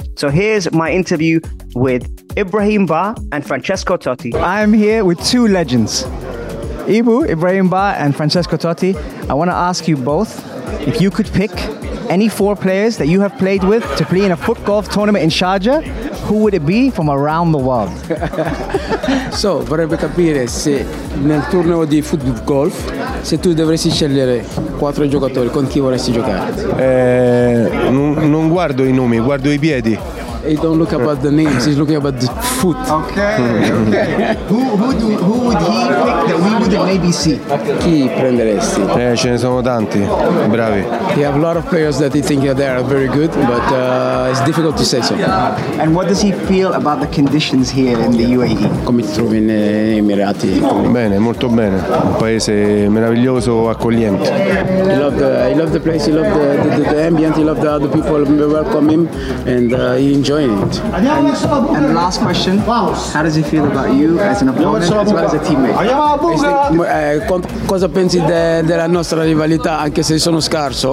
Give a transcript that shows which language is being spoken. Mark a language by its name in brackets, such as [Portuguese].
[English] So here's my interview with Ibrahim Bar and Francesco Totti. I'm here with two legends, Ibrahim Bar and Francesco Totti. I want to ask you both if you could pick any four players that you have played with to play in a Footgolf tournament in Sharjah, who would it be from around the world? [Italian] So, vorrebbe capire se nel torneo di Footgolf, se tu dovessi scegliere quattro giocatori, con chi vorresti giocare? Non guardo i nomi, guardo i piedi. [English] He don't look about the names, he's looking about the foot. Okay. Who would he pick that we would maybe see? [Italian] Chi prenderesti? Ce ne sono tanti, bravi. [English] He have a lot of players that he think they are very good, but it's difficult to say so. And what does he feel about the conditions here in the UAE? [Italian] Come ti trovi nei Emirati? Bene, molto bene. Un paese meraviglioso, accogliente. [English] He love the place, he love the ambient, he love the other people, we welcome him, and he enjoys enjoying it. And last question, how does he feel about you as an opponent as well as a teammate? [Italian] Cosa pensi della nostra rivalità, anche se sono scarso?